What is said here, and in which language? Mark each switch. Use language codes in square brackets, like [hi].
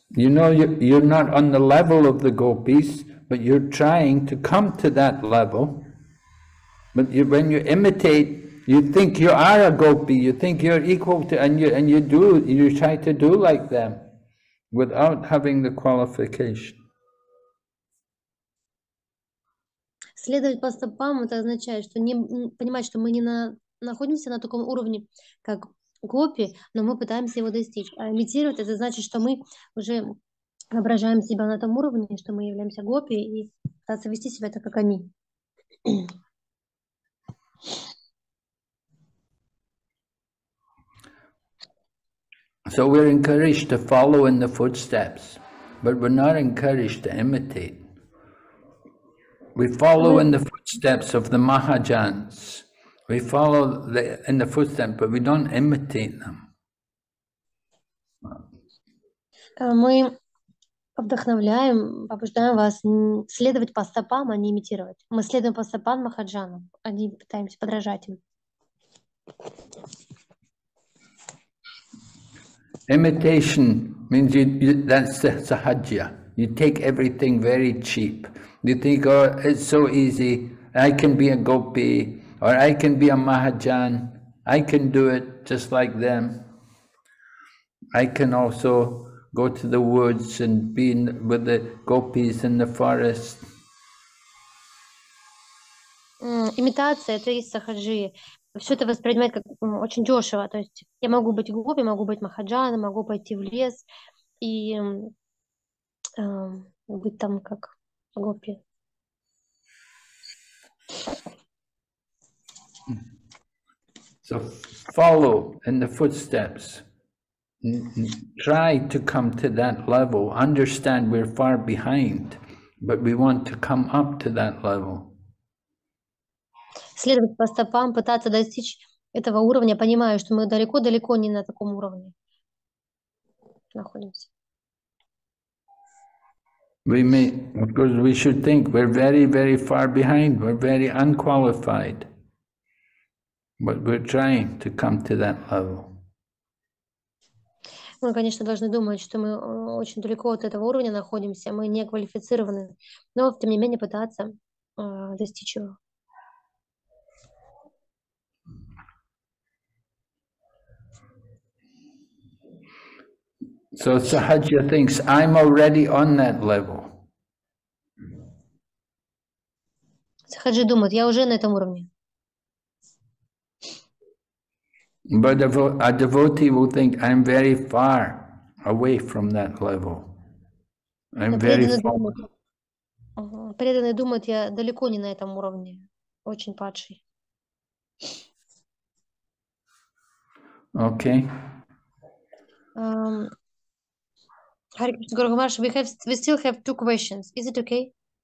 [en] You know you're not on the level of the gopis, but you're trying to come to that level. But you, when you imitate, you think you are a gopi. You think you're equal to, you try to do like them, without having the qualification. [ru] Следовать по стопам, это означает, что не понимать, что мы не находимся на таком уровне, как гопи, но мы пытаемся его достичь. А имитировать, это значит, что мы уже воображаем себя на том уровне, что мы являемся гопи, и пытаться вести себя так, как они. [en] So we're encouraged to follow in the footsteps, but we're not encouraged to imitate. We follow in the footsteps of the Mahajans. We follow in the footsteps, but we don't imitate them. [ru] Мы вдохновляем, побуждаем вас следовать по стопам, а не имитировать. Мы следуем по стопам Махаджанам, а не пытаемся подражать им. [en] Imitation means that's sahajya. You take everything very cheap. You think, oh, it's so easy, I can be a gopi, or I can be a Mahajan, I can do it just like them. I can also go to the woods and be with the gopis in the forest. [ru] Имитация, это есть сахаджи. Все это воспринимать как очень дешево. То есть я могу быть гопи, могу быть Махаджан, могу пойти в лес и быть там как гопи. [en] So follow in the footsteps. Try to come to that level. Understand we're far behind, but we want to come up to that level. [ru] Следовать по стопам, пытаться достичь этого уровня. Понимаю, что мы далеко-далеко не на таком уровне находимся. [en] We may, of course, we should think we're very, very far behind, we're very unqualified, but we're trying to come to that level. [ru] Мы, конечно, должны думать, что мы очень далеко от этого уровня находимся, мы не квалифицированы, но, тем не менее, пытаться достичь его. [en] So Sahaja thinks, I'm already on that level. [ru] Сахаджи думает, я уже на этом уровне. [en] But a devotee will think, I'm very far away from that level. I'm very far. [ru] Преданный думает, я далеко не на этом уровне, очень падший. Окей. [en] Hare Krishna, Guru Maharaj, we still have two questions. Is it okay?